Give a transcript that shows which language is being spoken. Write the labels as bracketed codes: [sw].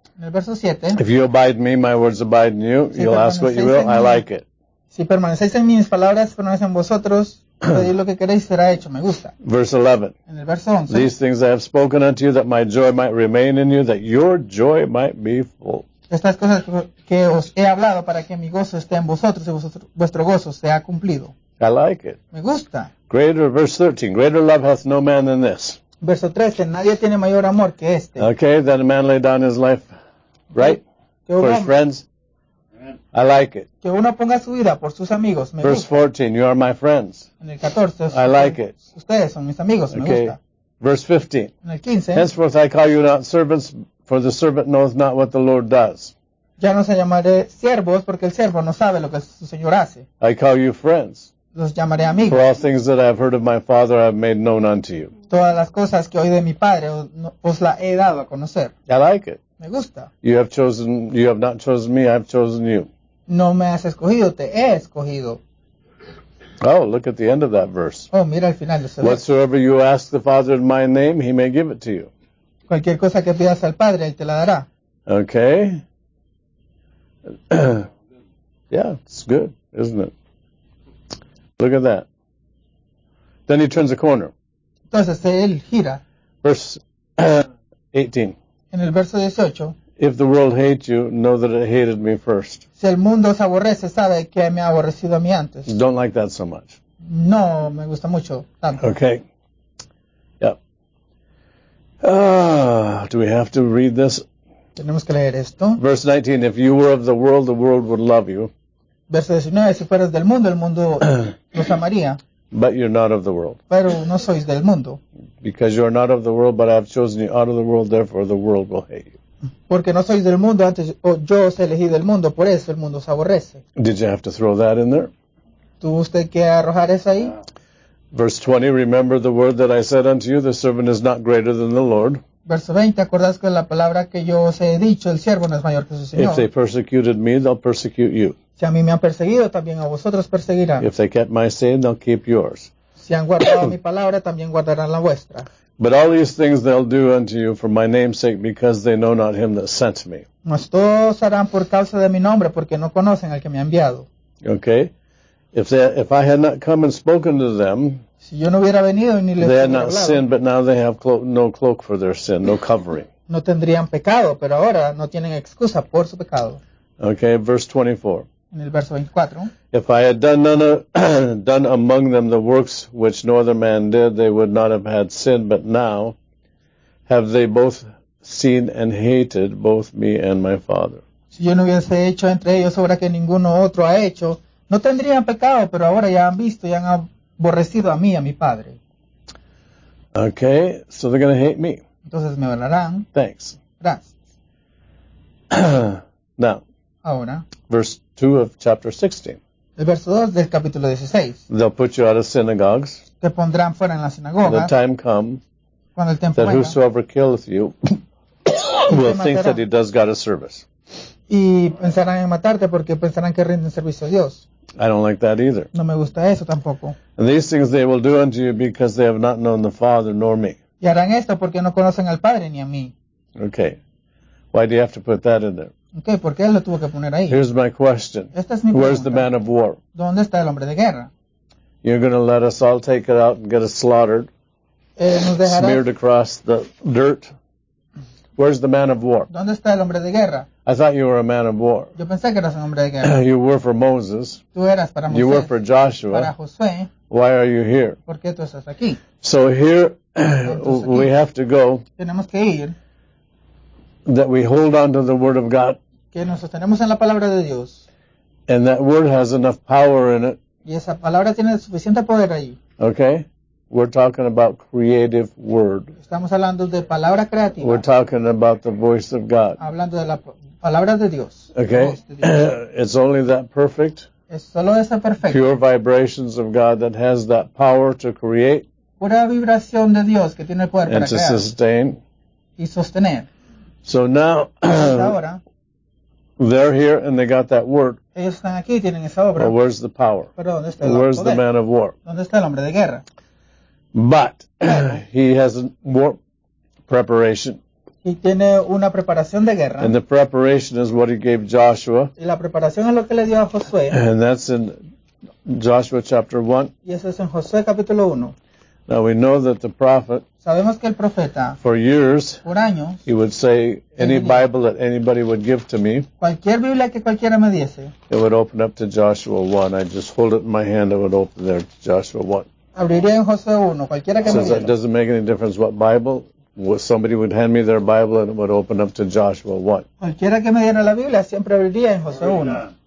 [es] En el verso 7. [en] If you abide me, my words abide in you. [es] Si [en] you'll ask what you will. I like it. [es] Si permanecéis en mis palabras, permanecen vosotros. Pedir lo que queréis será hecho. Me gusta. [en] Verse 11. [es] En el verso 11. [en] These things I have spoken unto you, that my joy might remain in you, that your joy might be full. [es] Estas cosas que os he hablado para que mi gozo esté en vosotros y vuestro gozo sea cumplido. [en] I like it. [es] Me gusta. [en] Greater, verse 13. Greater love hath no man than this. [es] Verso 13. Nadie tiene mayor amor que este. [en] Okay, that a man lay down his life, right? For his friends. I like it. [es] Que uno ponga su vida por sus amigos. Me [en] verse [es] gusta. [en] 14, you are my friends. [es] En el 14, [en] I like it. [es] Ustedes son mis amigos. [en] Okay. [es] Me gusta. [en] Verse 15. [es] En el 15. [en] Henceforth I call you not servants, for the servant knoweth not what the Lord does. [es] Ya no se llamaré siervos, porque el siervo no sabe lo que su señor hace. [en] I call you friends. [es] los llamaré amigos. [en] For all things that I've heard of my father, I've made known unto you. [es] Todas las cosas que oí de mi padre, os la he dado a conocer. [en] I like it. [es] Me gusta. [en] You have chosen, you have not chosen me, I've chosen you. [es] No me has escogido, te he escogido. [en] Oh, look at the end of that verse. [es] Oh, mira al final de ese verso. [en] Whatsoever you ask the Father in my name, he may give it to you. [es] Cualquier cosa que pidas al Padre, él te la dará. [en] Okay. Yeah, it's good, isn't it? Look at that. Then he turns a corner. [es] Entonces, él gira. [en] Verse 18. [es] En el verso 18. [en] If the world hates you, know that it hated me first. [es] Si el mundo os aborrece, sabe que me ha aborrecido a mí antes. [en] Don't like that so much. [es] No, me gusta mucho tanto. [en] Okay. Yep. Do we have to read this? [es] Tenemos que leer esto. [en] Verse 19. If you were of the world would love you. [es] Verso 19, si fueras del mundo, el mundo los amaría. [en] But you're not of the world. [es] Pero no sois del mundo. [en] Because you're not of the world, but I've chosen you out of the world, therefore the world will hate you. [es] Porque no sois del mundo, antes yo os elegí del mundo, por eso el mundo os aborrece. [en] Did you have to throw that in there? [es] ¿Tuvo usted que arrojar eso ahí? [en] Verse 20, remember the word that I said unto you, the servant is not greater than the Lord. [es] Verso 20, acordaos que la palabra que yo os he dicho, el siervo no es mayor que su Señor. [en] If they persecuted me, they'll persecute you. [es] Si a mí me han perseguido, también a vosotros perseguirán. [en] If they kept my saying, they'll keep yours. [es] Si han guardado mi palabra, también guardarán la vuestra. [en] But all these things they'll do unto you for my name's sake, because they know not him that sent me. [es] Mas todos harán por causa de mi nombre, porque no conocen al que me ha enviado. [en] Okay. If I had not come and spoken to them, [es] si yo no hubiera venido, ni les [en] they had [es] hubiera [en] not [es] hablado. [en] Sinned, but now they have no cloak for their sin, no covering. [es] No tendrían pecado, pero ahora no tienen excusa por su pecado. [en] Okay, verse 24. [es] En el verso 24, [en] if I had done among them the works which no other man did, they would not have had sin. But now have they both seen and hated both me and my Father. [es] Si yo no hubiese hecho entre ellos obra que ninguno otro ha hecho, no tendrían pecado, pero ahora ya han visto y han aborrecido a mí y a mi Padre. [en] Okay, so they're going to hate me. [es] Entonces me adorarán. [en] Thanks. [es] Gracias. [en] Now, [es] ahora, [en] verse 2 of chapter 16. [es] El verso 2 del capítulo 16. [en] They'll put you out of synagogues. [es] Te pondrán fuera en la sinagoga. [en] The time come. [es] Cuando el tiempo venga. [en] That whosoever killeth you will think that he does God a service. [es] Y pensarán en matarte porque pensarán que rinden servicio a Dios. [en] I don't like that either. [es] No me gusta eso tampoco. [en] And these things they will do unto you because they have not known the Father nor me. [es] Y harán esto porque no conocen al Padre ni a mí. [en] Okay. Why do you have to put that in there? [es] Okay, ¿por qué él lo tuvo que poner ahí? [en] Here's my question. [es] Esta es mi pregunta. [en] Where's the man of war? [es] ¿Dónde está el hombre de guerra? [en] You're going to let us all take it out and get us slaughtered, [es] ¿nos dejarás? [en] Smeared across the dirt. Where's the man of war? [es] ¿Dónde está el hombre de guerra? [en] I thought you were a man of war. [es] Yo pensé que eras un hombre de guerra. [en] You were for Moses. [es] Tú eras para Moisés. [en] You were for Joshua. [es] Para Josué. [en] Why are you here? [es] ¿Por qué tú estás aquí? [en] So here, aquí. We have to go. [es] Tenemos que ir. [en] That we hold on to the word of God. [es] Que nos sostenemos en la palabra de Dios. [en] And that word has enough power in it. [es] Y esa palabra tiene suficiente poder ahí. [en] Okay. We're talking about creative word. [es] Estamos hablando de palabra creativa. [en] We're talking about the voice of God. [es] Hablando de la palabra de Dios. [en] Okay. [es] De Dios. [en] It's only that perfect. [es] Es solo esa perfecta. [en] Pure vibrations of God that has that power to create. [es] Pura vibración de Dios que tiene el poder [en] and [es] para crear. [en] And to sustain. [es] Y sostener. [en] So now, they're here and they got that word. [es] Ellos están aquí, tienen esa obra. [en] Well, where's the power? [es] Pero ¿dónde está el poder? [en] Where's the man of war? [es] ¿Dónde está el hombre de guerra? [en] But he has a war preparation. [es] Y tiene una preparación de guerra. [en] And the preparation is what he gave Joshua. [es] Y la preparación es lo que le dio a Josué. [en] And that's in Joshua chapter 1. [es] Y eso es en Josué capítulo 1. [en] Now we know that the prophet, [es] sabemos que el profeta, [en] for years, [es] por años, [en] he would say, any Bible that anybody would give to me, cualquier Biblia que cualquiera me diese, it would open up to Joshua 1. I just hold it in my hand, it would open there to Joshua 1. [es] Abriría en Josué 1, cualquiera que [en] says, [es] me diera. [en] It doesn't make any difference what Bible, somebody would hand me their Bible and it would open up to Joshua 1. [es] Cualquiera que me diera la Biblia siempre abriría en Josué 1.